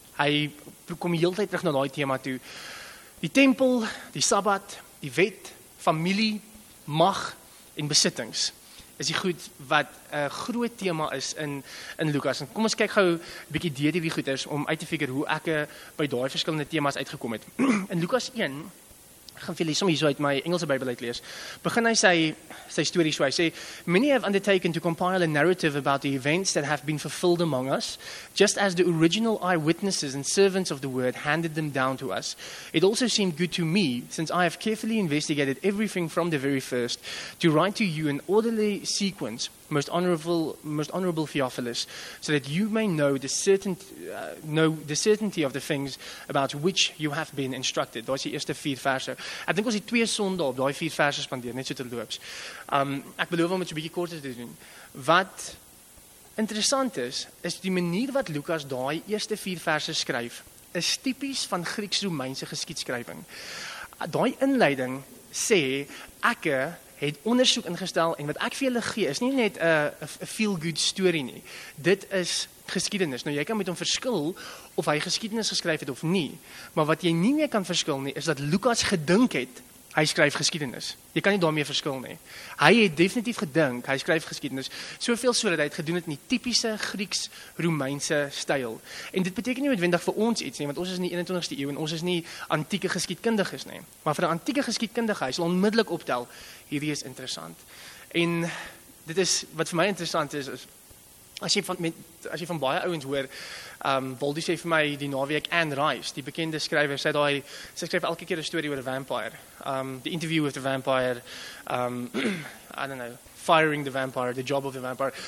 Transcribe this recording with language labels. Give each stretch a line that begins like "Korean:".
Afrikaans: Hy kom die hele tyd terug na daai tema toe. Die tempel, die Sabbat, die wet, familie, mag en besittings is die goed wat 'n groot tema is in Lukas. En kom ons kyk gou 'n bietjie deur hierdie goeters om uit te figure hoe ek by daai verskillende temas uitgekom het. In Lukas 1, ek gaan vir julle sommer hierso uit my Engelse Bybel uitlees, begin hy sy storie so. Hy sê,
English: "Many have undertaken to compile a narrative about the events that have been fulfilled among us, just as the original eyewitnesses and servants of the word handed them down to us. It also seemed good to me, since I have carefully investigated everything from the very first, to write to you an orderly sequence, most honorable Theophilus, so that you may know the certainty of the things about which you have been instructed."
Afrikaans: Daar is die eerste vier verse. Ek dink ons het 2 sonde op daai 4 verse spandeer, net so terloops. Ek beloof om dit so 'n bietjie korter te doen. Wat interessant is die manier wat Lukas daai eerste 4 verse skryf, is tipies van Grieks-Romeinse geskiedskrywing. Daai inleiding sê, ek het ondersoek ingestel en wat ek vir julle gee is nie net 'n
English: feel-good story
Afrikaans: nie. Dit is geskiedenis. Nou, jy kan met hom verskil of hy geskiedenis geskryf het of nie, maar wat jy nie meer kan verskil nie, is dat Lukas gedink het, hy skryf geskiedenis. Jy kan nie daarmee verskil nie. Hy het definitief gedink, hy skryf geskiedenis, soveel so dat hy het gedoen het in die typiese Grieks-Romeinse styl. En dit beteken nie noodwendig vir ons iets nie, want ons is in die 21ste eeuw en ons is nie antieke geskiedkundiges nie. Maar vir 'n antieke geskiedkundige, hy sal onmiddellik optel, hierdie is interessant. En dit is, wat vir my interessant is As jy van baie ouens hoor, Waldo sê vir my die naweek Anne Rice, die bekende skrywer, sy skryf elke keer 'n storie oor 'n vampire.
English: The Interview with the Vampire, I don't know, Firing the Vampire, The Job of the Vampire.